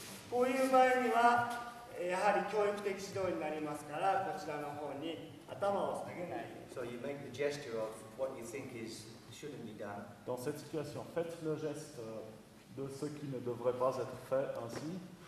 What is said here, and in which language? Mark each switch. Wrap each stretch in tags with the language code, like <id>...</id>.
<ja>こういう場合にはやはり教育的指導になりますからこちらの方に頭を下げない。</ja> <en>So you make the gesture of what you think is shouldn't be done.</en> <fr>Dans cette situation, faites le geste de ce qui ne devrait pas être fait ainsi.</fr>